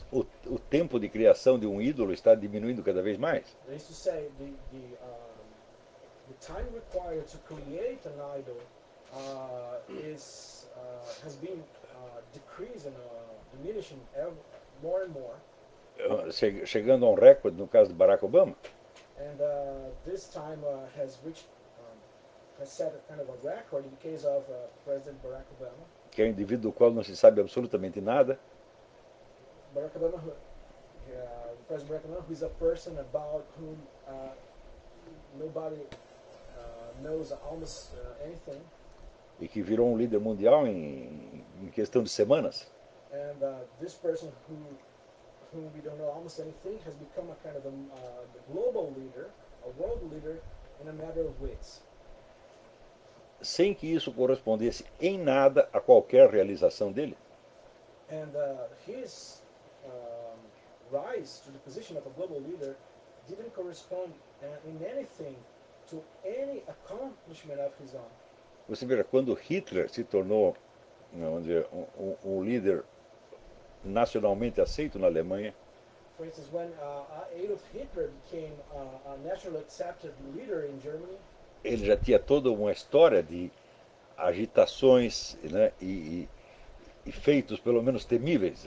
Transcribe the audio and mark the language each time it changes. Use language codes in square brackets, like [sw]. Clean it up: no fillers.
[pt] O tempo de criação de um ídolo está diminuindo cada vez mais. [en] That is to say, the time required to create an idol has been decreasing, diminishing ever. More and more. [pt] Chegando a um recorde no caso de Barack Obama. [en] And this time has reached has set a kind of a record in the case of President Barack Obama. [pt] Que é um indivíduo do qual não se sabe absolutamente nada. [en] Barack Obama, President Barack Obama, who is a person about whom nobody knows almost anything. [pt] E que virou um líder mundial em questão de semanas. [en] And this person whom we don't know almost anything has become a kind of a global leader, a world leader, in a matter of weeks. [pt] Sem que isso correspondesse em nada a qualquer realização dele. [en] And his rise to the position of a global leader didn't correspond in anything to any accomplishment of his own. [pt] Você vê, quando Hitler se tornou, vamos dizer, um líder nacionalmente aceito na Alemanha. [en] For instance, when Adolf Hitler became a nationally accepted leader in Germany, [pt] ele já tinha toda uma história de agitações, né, e feitos pelo menos temíveis.